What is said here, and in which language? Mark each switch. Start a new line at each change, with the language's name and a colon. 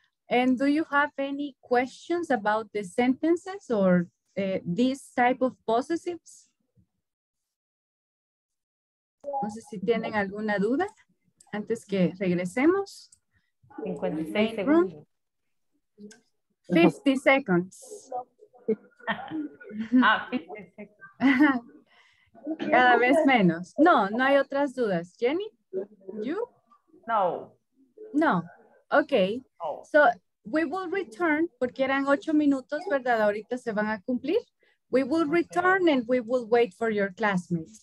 English: And do you have any questions about the sentences or these type of possessives?
Spanish: No sé si tienen alguna duda antes que regresemos. 56 segundos.
English: 50 seconds. Ah, 50 seconds.
Spanish: Cada vez menos. No, no hay otras dudas. Jenny, you? No.
English: No. Okay.
Spanish: So we will return, porque eran 8 minutos, ¿verdad? Ahorita se van a cumplir.
English: We will return and we will wait for your classmates.